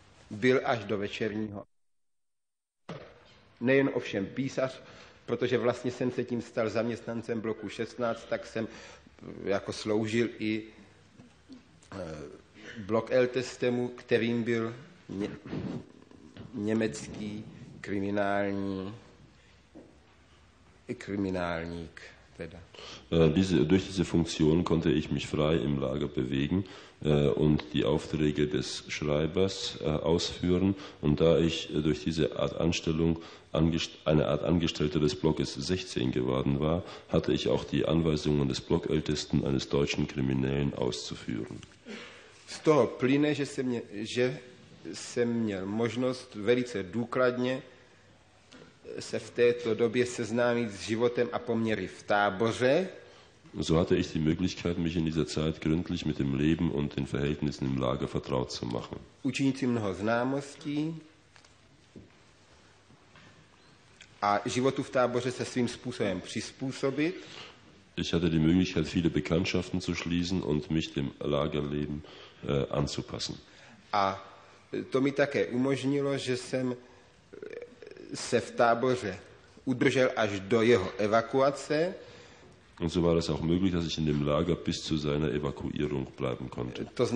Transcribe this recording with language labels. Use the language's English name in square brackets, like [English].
[Czech] byl až do večerního. Nejen ovšem písař, protože vlastně jsem se tím stal zaměstnancem bloku 16, tak jsem jako sloužil i blok L-testemu, kterým byl německý kriminálník. [German] Durch diese Funktion konnte ich mich frei im Lager bewegen und die Aufträge des Schreibers ausführen. Und da ich durch diese Art Anstellung eine Art Angestellter des Blockes 16 geworden war, hatte ich auch die Anweisungen des Blockältesten eines deutschen Kriminellen auszuführen. [Czech] Z toho plyne, že jsem měl možnost velice důkladně se v této době seznámit s životem a poměry v táboře. [German] So hatte ich die Möglichkeit, mich in dieser Zeit gründlich mit dem Leben und den Verhältnissen im Lager vertraut zu machen. [Czech] Učinit si mnoho známostí a životu v táboře se svým způsobem přizpůsobit. [German] Ich hatte die Möglichkeit, viele Bekanntschaften zu schließen und mich dem Lagerleben anzupassen. [Czech] A to mi také umožnilo, že jsem se v táboře udržel až do jeho evakuace. [German] Und so war es auch möglich, dass ich in dem Lager bis zu seiner Evakuierung bleiben konnte.